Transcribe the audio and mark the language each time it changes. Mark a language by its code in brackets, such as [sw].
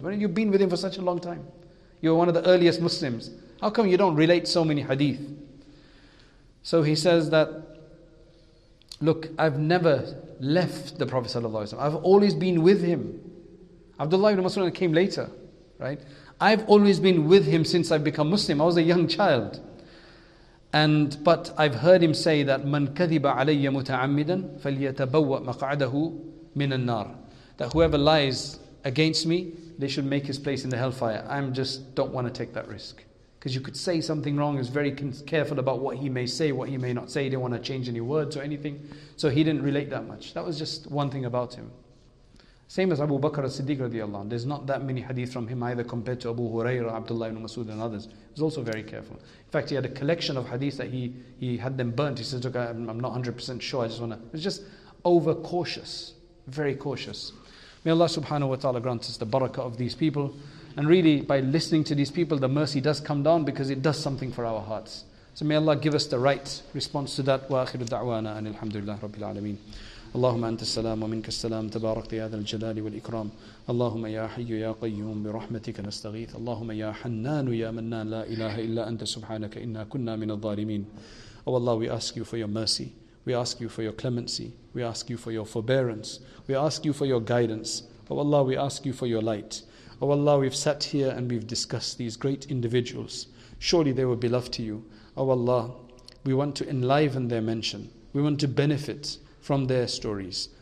[en] When you've been with him for such a long time, you're one of the earliest Muslims, how come you don't relate so many hadith? So he says that, look, I've never left the Prophet sallallahu alaihi wasallam. I've always been with him. Abdullah ibn Mas'ud came later, right? I've always been with him since I've become Muslim. I was a young child. But I've heard him say that [ar] مَنْ كَذِبَ عَلَيَّ مُتَعَمِّدًا فَلْيَتَبَوَّأْ مَقْعَدَهُ مِنَ النَّارِ. [en] That whoever lies against me, they should make his place in the hellfire. I just don't want to take that risk. Because you could say something wrong. He was very careful about what he may say, what he may not say. He didn't want to change any words or anything. So he didn't relate that much. That was just one thing about him. Same as Abu Bakr as-Siddiq radiallahu anhu. There's not that many hadith from him either compared to Abu Hurairah, Abdullah ibn Mas'ud and others. He's also very careful. In fact, he had a collection of hadith that he had them burnt. He says, look, I'm not 100% sure. I just want to... It's just over-cautious. Very cautious. May Allah subhanahu wa ta'ala grant us the barakah of these people. And really, by listening to these people, the mercy does come down because it does something for our hearts. So may Allah give us the right response to that. [ar] Wa akhiru da'wana and alhamdulillah rabbil alameen. اللهم أنت السلام ومنك السلام تبارك يا ذا الجلال والإكرام اللهم يا حي يا قيوم برحمتك نستغيث اللهم يا حنان يا منان لا إله إلا أنت سبحانك إنا كنا من الظالمين. [en] Oh Allah, we ask you for your mercy, we ask you for your clemency, we ask you for your forbearance, we ask you for your guidance. Oh Allah, we ask you for your light. Oh Allah, we've sat here and we've discussed these great individuals. Surely they were beloved to you. Oh Allah, we want to enliven their mention, we want to benefit from their stories.